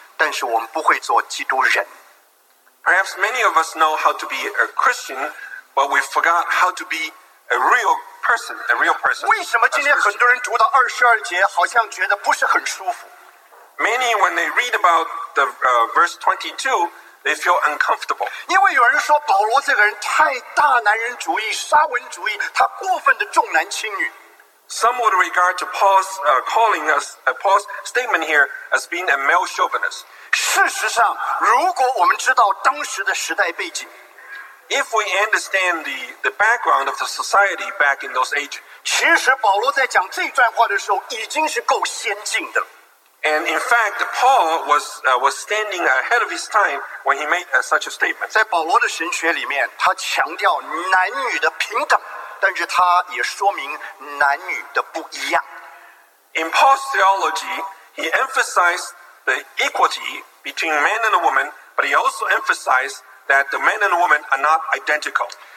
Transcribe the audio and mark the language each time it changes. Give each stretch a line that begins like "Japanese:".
Chinese: 弟兄姊妹,今天我们在教会里面,我们学会很多做基督徒,但是我们不会做基督人。
English: Perhaps many of us know how to be a Christian, but we forgot how to be a real person, a real person.
Chinese: 为什么今天很多人读到22节好像觉得不是很舒服?
English: Many, when they read about the verse 22, they feel uncomfortable.
Chinese: 因为有人说保罗这个人太大男人主义,沙文主义,他过分的重男轻女。
English: Some would regard to Paul's calling us, Paul's statement here as being a male chauvinist.
Chinese: 事实上,如果我们知道当时的时代背景,
English: If we understand the background of the society back in those ages,
Chinese: 其实保罗在讲这段话的时候已经是够先进的。
English: And in fact, Paul was standing ahead of his time when he made such a statement.
Chinese: 在保罗的神学里面，他强调男女的平等，但是他也说明男女的不一样。
English: In Paul's theology, he emphasized the equity between man and woman, but he also emphasized that the man and woman are not identical.